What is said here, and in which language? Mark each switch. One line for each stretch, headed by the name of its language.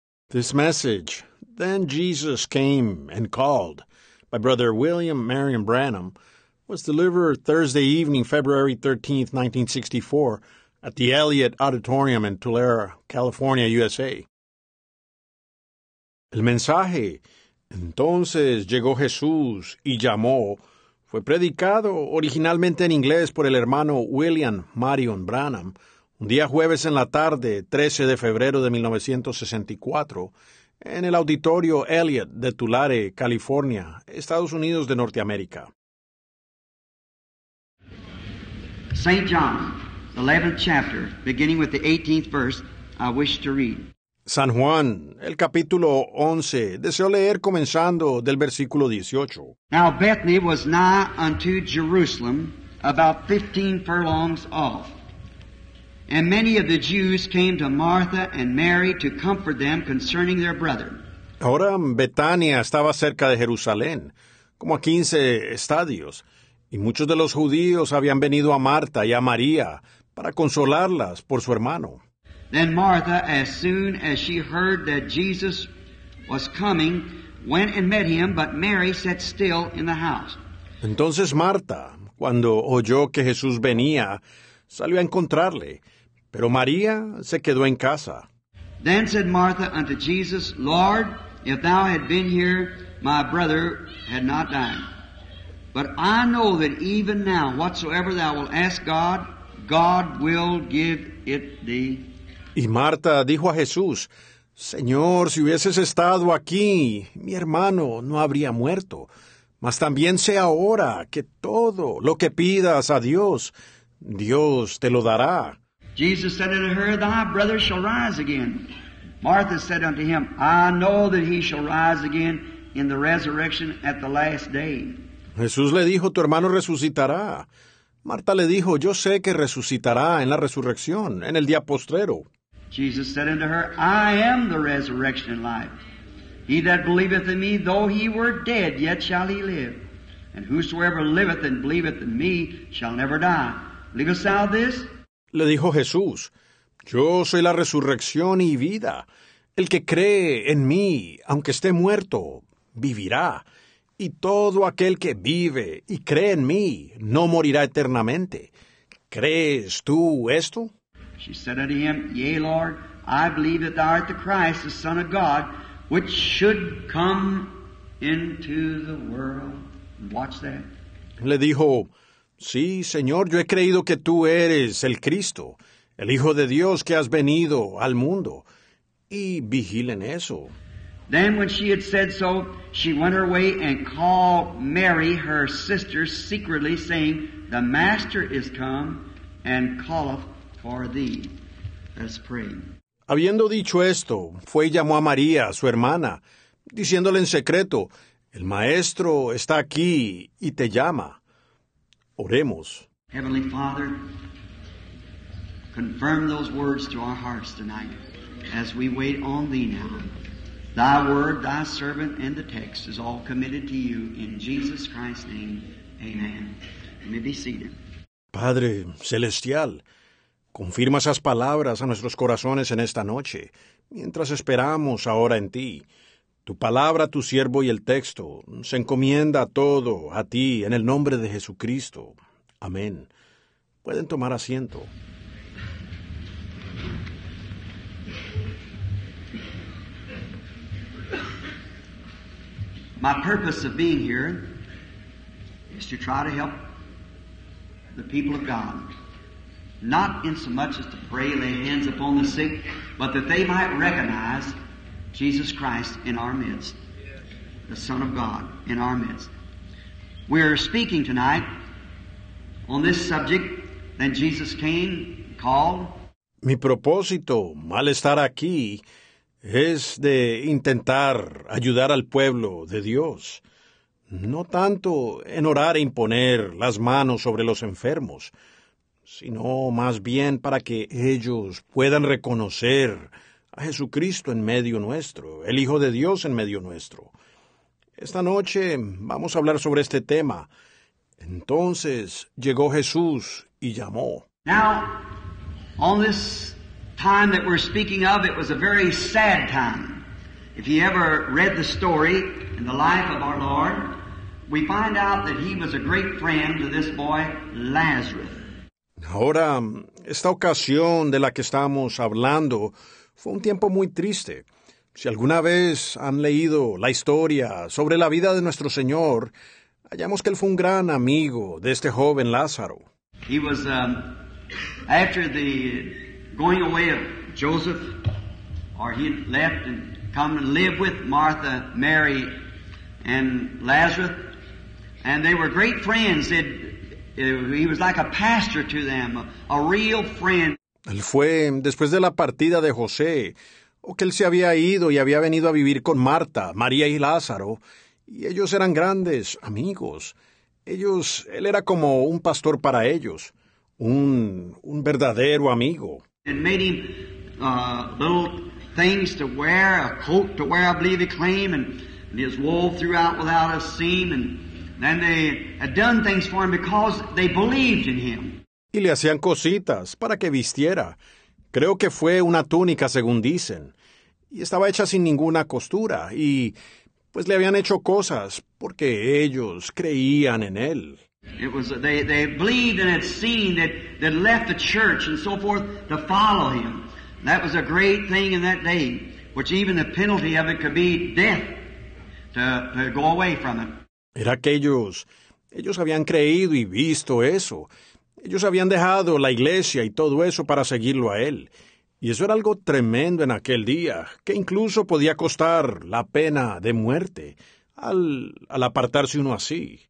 English: This message, "Then Jesus Came and Called," by Brother William Marion Branham, was delivered Thursday evening, February 13, 1964, at the Elliott Auditorium in Tulare, California, USA.
Spanish: El mensaje, "Entonces llegó Jesús y llamó," fue predicado originalmente en inglés por el hermano William Marion Branham, un día jueves en la tarde, 13 de febrero de 1964, en el Auditorio Elliott de Tulare, California, Estados Unidos de Norteamérica.
English: St. John, 11th chapter, beginning with the 18th verse, I wish to read.
Spanish: San Juan, el capítulo 11, deseo leer comenzando del versículo 18.
English: Now Bethany was nigh unto Jerusalem, about 15 furlongs off. And many of the Jews came to Martha and Mary to comfort them concerning their brother.
Spanish: Ahora Betania estaba cerca de Jerusalén, como a 15 estadios, y muchos de los judíos habían venido a Marta y a María para consolarlas por su hermano.
English: Then Martha, as soon as she heard that Jesus was coming, went and met him, but Mary sat still in the house.
Spanish: Entonces Marta, cuando oyó que Jesús venía, salió a encontrarle, pero María se quedó en casa.
English: Then said Martha unto Jesus, Lord, if thou had been here, my brother had not died. But I know that even now, whatsoever thou wilt ask God, God will give it thee.
Spanish: Y Marta dijo a Jesús, Señor, si hubieses estado aquí, mi hermano no habría muerto. Mas también sé ahora que todo lo que pidas a Dios, Dios te lo dará.
English: Jesus said unto her, Thy brother shall rise again. Martha said unto him, I know that he shall rise again in the resurrection at the last day.
Spanish: Jesús le dijo, Tu hermano resucitará. Marta le dijo, Yo sé que resucitará en la resurrección, en el día postrero.
English: Jesus said unto her, I am the resurrection and life. He that believeth in me, though he were dead, yet shall he live. And whosoever liveth and believeth in me shall never die. Believest thou this?
Spanish: Le dijo Jesús, Yo soy la resurrección y vida. El que cree en mí, aunque esté muerto, vivirá. Y todo aquel que vive y cree en mí, no morirá eternamente. ¿Crees tú esto?
English: She said unto him, Yea, Lord, I believe that thou art the Christ, the Son of God, which should come into the world. Watch that.
Spanish: Le dijo, Sí, Señor, yo he creído que tú eres el Cristo, el Hijo de Dios que has venido al mundo. Y vigilen eso.
English: Then when she had said so, she went her way and called Mary, her sister, secretly, saying, The Master is come and calleth for thee. Let's pray.
Spanish: Habiendo dicho esto, fue y llamó a María, su hermana, diciéndole en secreto, El Maestro está aquí y te llama. Oremos.
English: Heavenly Father, confirm those words to our hearts tonight as we wait on Thee now. Thy word, Thy servant, and the text is all committed to You in Jesus Christ's name. Amen. You may be seated.
Spanish: Padre Celestial, confirma esas palabras a nuestros corazones en esta noche mientras esperamos ahora en Ti. Tu palabra, tu siervo y el texto, se encomienda todo a ti en el nombre de Jesucristo. Amén. Pueden tomar asiento.
English: My purpose of being here is to try to help the people of God. Not in so much as to pray, lay hands upon the sick, but that they might recognize Jesus Christ in our midst, the Son of God in our midst. We are speaking tonight on this subject, then Jesus came, called.
Spanish: Mi propósito al estar aquí es de intentar ayudar al pueblo de Dios, no tanto en orar e imponer las manos sobre los enfermos, sino más bien para que ellos puedan reconocer a Jesucristo en medio nuestro, el Hijo de Dios en medio nuestro. Esta noche vamos a hablar sobre este tema. Entonces llegó Jesús y llamó.
English: Now, on this time that we're speaking of, it was a very sad time. If you ever read the story in the life of our Lord, we find out that he was a great friend to this boy, Lazarus.
Spanish: Ahora, esta ocasión de la que estamos hablando fue un tiempo muy triste. Si alguna vez han leído la historia sobre la vida de nuestro Señor, hallamos que él fue un gran amigo de este joven Lázaro.
English: He was, after the going away of Joseph, or he left and come and live with Martha, Mary, and Lazarus, and they were great friends. He was like a pastor to them, a real friend.
Spanish: Él fue, después de la partida de José, o que él se había ido y había venido a vivir con Marta, María y Lázaro, y ellos eran grandes amigos. Él era como un pastor para ellos, un verdadero amigo.
English: And made him little things to wear, a coat to wear, I believe he claimed, and his wool throughout without a seam, and then they had done things for him because they believed in him.
Spanish: Y le hacían cositas para que vistiera. Creo que fue una túnica, según dicen. Y estaba hecha sin ninguna costura. Y pues le habían hecho cosas porque ellos creían en él.
English: It was, they believed and had seen that they left the church and so forth to follow him. That was a great thing in that day, which even the penalty of it could be death to go away from him.
Spanish: Era que ellos habían creído y visto eso. Ellos habían dejado la iglesia y todo eso para seguirlo a él. Y eso era algo tremendo en aquel día, que incluso podía costar la pena de muerte al apartarse uno así.